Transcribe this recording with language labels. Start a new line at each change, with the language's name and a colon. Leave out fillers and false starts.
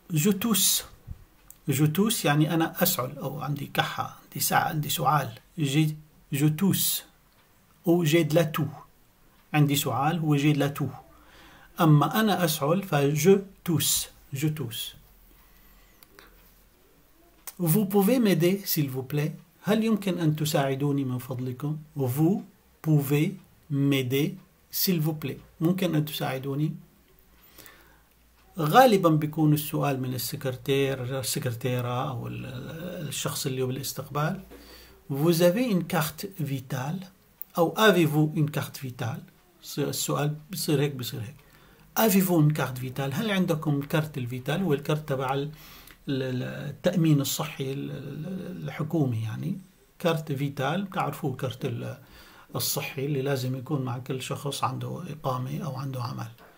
Arabic: جوتوس، جوتوس يعني أنا أسعل أو عندي كحة، عندي ساعة، عندي سعال. جوتوس أو جيد لاتو، عندي سعال هو جيد لاتو. أما أنا أسعل فجوتوس، جوتوس.
French: Vous pouvez m'aider, s'il vous plaît.
Arabic: هل يمكن أن تساعدوني من فضلكم؟
French: Vous pouvez m'aider, s'il vous plaît.
Arabic: ممكن أن تساعدوني؟ غالبا بيكون السؤال من السكرتير، السكرتيرة أو الشخص اللي هو بالاستقبال.
French: Vous avez une carte vitale؟ أو avez-vous une carte vitale؟
Arabic: السؤال بصير هيك بصير هيك.
French: Avez-vous une carte vitale؟
Arabic: هل عندكم الكارت الفيتال؟ هو الكارت تبع التأمين الصحي الحكومي، يعني كارت فيتال، بتعرفوه كارت الصحي اللي لازم يكون مع كل شخص عنده إقامة أو عنده عمل.